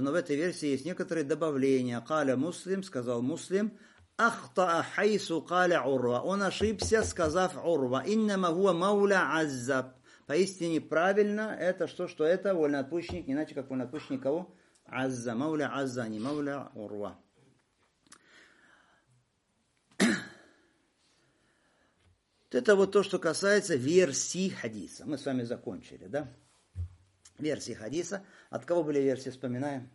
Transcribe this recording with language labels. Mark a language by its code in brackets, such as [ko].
[ru] Но в этой версии есть некоторые добавления. Каля муслим, сказал муслим, [ar] أخطأ حيث قال عروة. [ru] Он ошибся, сказав عروة. [ar] إنما هو مولى عزة. [ru] Поистине правильно это что? Что это? Вольноотпущенник. Иначе как вольноотпущенник кого? [ar] عزة. مولى عزة, а не مولى عروة. [ru] Вот это вот то, что касается версий хадиса. Мы с вами закончили, да? Версии хадиса. От кого были версии, вспоминаем?